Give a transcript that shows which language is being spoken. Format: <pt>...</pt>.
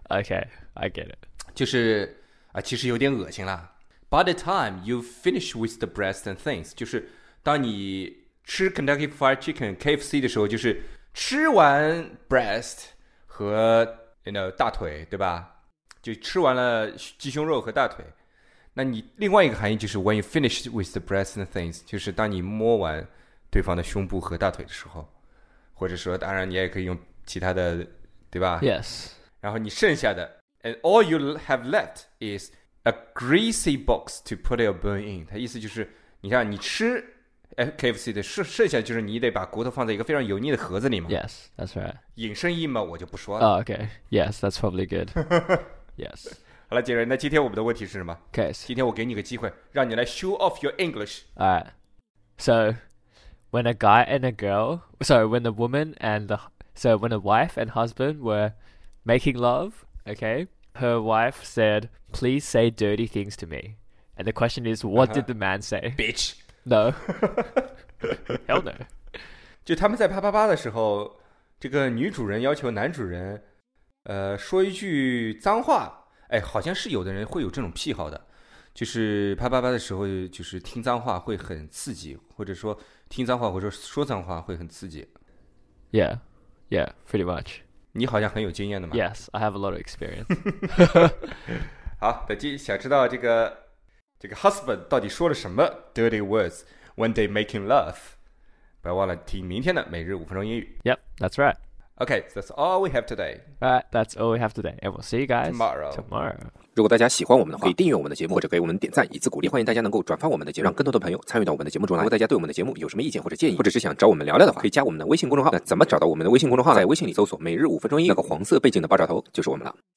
<en>Okay, I get it.</en> <zh>就是、其实有点恶心啦。</zh> <en>By the time you finish with the breast and things,</en> <zh>就是当你吃 Kentucky Fried Chicken, KFC 的时候，就是吃完 breast 和</zh> <en>you know,</en> <zh>大腿，对吧？就吃完了鸡胸肉和大腿。那你另外一个含义就是</zh> <en>when you finish with the breast and things,</en> <zh>就是当你摸完对方的胸部和大腿的时候，或者说当然你也可以用其他的，对吧？</zh> <en>Yes.</en> <zh>然后你剩下的</zh> <en>and all you have left is... A greasy box to put your bone in.</en> <zh>它意思就是，你看你吃 KFC 的剩下就是你得把骨头放在一个非常油腻的盒子里嘛。</zh> <en>Yes, that's right.</en> <zh>隐身衣嘛，我就不说了。</zh> <en>Oh, okay. Yes, that's probably good. Yes.</en> <zh>好了，杰瑞，那今天我们的问题是什么</zh> <en>？Case.</en> <zh>今天我给你个机会，让你来</zh> <en>show off your English. Alright. So, when a guy and a girl, sorry, when a woman and the, so when a wife and husband were making love, okay. Her wife said, please say dirty things to me. And the question is, what did the man say? Bitch. No. Hell no.</en> <zh>就他们在啪啪啪的时候，这个女主人要求男主人，说一句脏话。哎，好像是有的人会有这种癖好的，就是啪啪啪的时候，就是听脏话会很刺激，或者说听脏话或者说脏话会很刺激。</zh> <en>Yeah, yeah, pretty much.</en> <zh>你好像很有经验的嘛。</zh> <en>Yes, I have a lot of experience.</en> <zh>好，那今想知道这个 husband 到底说了什么</zh> <en>dirty words when they making love？</en> <zh>不要忘了听明天的每日五分钟英语。</zh> <en>Yep, that's right. Okay, that's all we have today. Alright, that's all we have today. And we'll see you guys tomorrow. Tomorrow.</en> <zh>如果大家喜欢我们的话，可以订阅我们的节目，或者给我们点赞以资鼓励。欢迎大家能够转发我们的节目，让更多的朋友参与到我们的节目中来。如果大家对我们的节目有什么意见或者建议，或者是想找我们聊聊的话，可以加我们的微信公众号。那怎么找到我们的微信公众号呢？在微信里搜索"每日五分钟英语"，那个黄色背景的爆炸头就是我们了。</zh>